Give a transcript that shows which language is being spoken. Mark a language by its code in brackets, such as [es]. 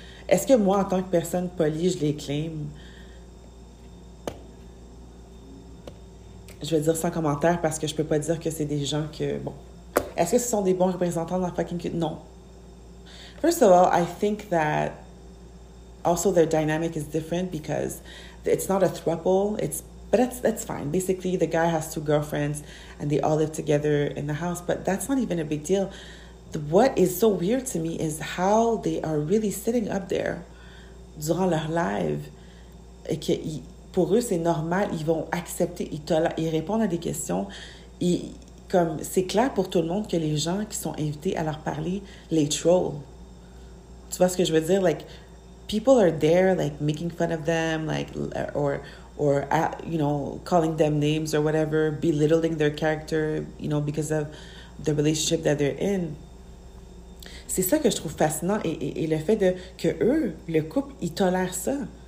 [fr] Est-ce que moi, en tant que personne polie, je les claim? Je vais dire sans commentaire parce que je peux pas dire que c'est des gens que, bon. Est-ce que ce sont des bons représentants de la fucking culture? Non. [en] First of all, I think that also their dynamic is different because it's not a throuple. It's, but that's fine. Basically, the guy has two girlfriends and they all live together in the house, but that's not even a big deal. What is so weird to me is how they are really sitting up there [fr] durant leur live. Et que pour eux, c'est normal. Ils vont accepter, ils répondent à des questions. Et comme c'est clair pour tout le monde que les gens qui sont invités à leur parler les troll. Tu vois ce que je veux dire? [en] Like, people are there, like, making fun of them, like, or you know, calling them names or whatever, belittling their character, you know, because of the relationship that they're in. [fr] C'est ça que je trouve fascinant, et le fait de, que eux, le couple, ils tolèrent ça.